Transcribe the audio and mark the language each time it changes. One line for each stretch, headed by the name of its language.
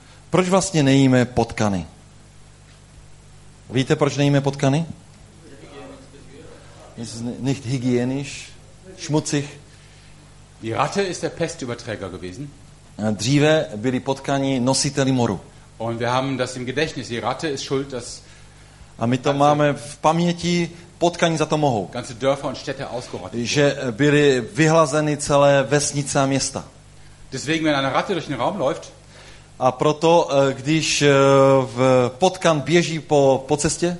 Czech: Proč vlastně nejíme potkany? Víte, proč nejíme potkany?
German: Nicht hygienisch, schmutzig. Die Ratte ist der Pestüberträger gewesen.
Czech: Dříve byli potkani nositeli moru.
German: Und wir haben das im Gedächtnis. Die Ratte ist schuld, dass.
Czech: A my to máme v paměti, potkani za to mohou.
German: Ganze Dörfer und Städte ausgerottet.
Czech: Že byly vyhlazeny celé vesnice a města.
German: Deswegen, wenn eine Ratte durch den Raum läuft.
Czech: A proto, když potkan běží po cestě.